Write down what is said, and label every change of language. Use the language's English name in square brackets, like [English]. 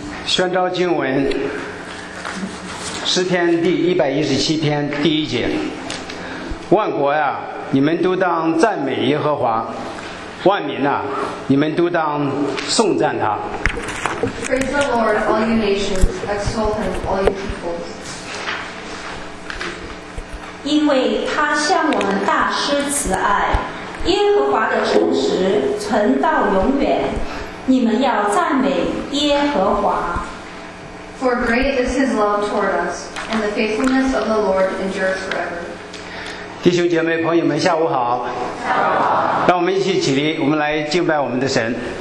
[Chinese] 宣召经文诗篇第117篇第一节，万国啊，你们都当赞美耶和华，万民啊，你们都当颂赞他。 [English] Praise the Lord, all you nations, exalt him, all you peoples. [Chinese] 因为他向我们大施慈爱，耶和华的诚实存到永远，你们要赞美耶和华。 [English] For great is his love toward us, and the faithfulness of the Lord endures forever. [Chinese] 弟兄姐妹朋友们，下午好。下午好。让我们一起起立，我们来敬拜我们的神。